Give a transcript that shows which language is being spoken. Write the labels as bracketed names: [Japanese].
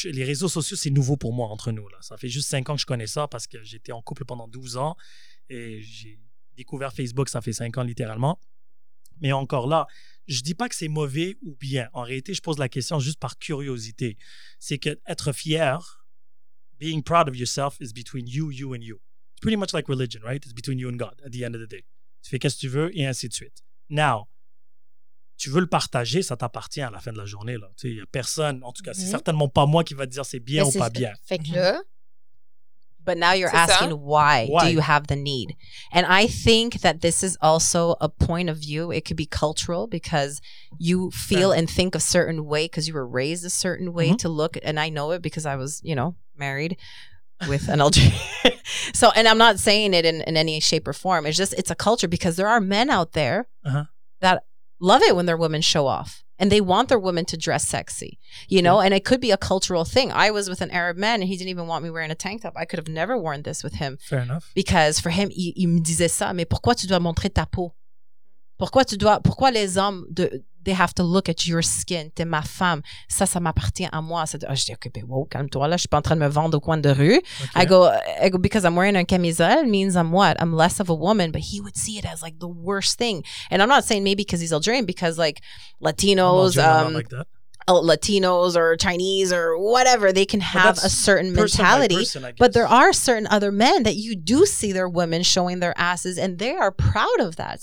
[French] Les réseaux sociaux, c'est nouveau pour moi, entre nous. Là. Ça fait juste 5 ans que je connais ça parce que j'étais en couple pendant 12 ans et j'ai découvert Facebook, ça fait 5 ans littéralement. Mais encore là, je ne dis pas que c'est mauvais ou bien. En réalité, je pose la question juste par curiosité. C'est qu'être fier, [English] being proud of yourself, is between you, you and you. It's pretty much like religion, right? It's between you and God at the end of the day. [French] Tu fais qu'est-ce que tu veux et ainsi de suite. Now, tu veux le partager, ça t'appartient à la fin de la journée. Il n'y a personne, en tout cas, c'est certainement pas moi qui va te dire c'est bien mais ou c'est pas bien. Fait que... [English] But now you're c'est asking why do you have the need? And I think that this is also a point of view. It could be cultural because you feel and think a certain way because you were raised a certain way to look. And I know it because I was, you know, married with an Algerian. So, and I'm not saying it in any shape or form. It's just, it's a culture because there are men out there that... love it when their women show off and they want their women to dress sexy, you know, and it could be a cultural thing. I was with an Arab man and he didn't even want me wearing a tank top. I could have never worn this with him. Fair enough. Because for him, [French] il me disait ça, mais pourquoi tu dois montrer ta peau? Pourquoi les hommes, [English] they have to look at your skin, [French] t'es ma femme, ça m'appartient à moi. Je dis, okay, wow, calme-toi là, je suis pas en train de me vendre au coin de rue. Okay. [English] I go, because I'm wearing a camisole, means I'm what? I'm less of a woman, but he would see it as like the worst thing. And I'm not saying maybe because he's Algerian, because like Latinos, Latinos or Chinese or whatever, they can have a certain mentality. But there are certain other men that you do see their women showing their asses and they are proud of that.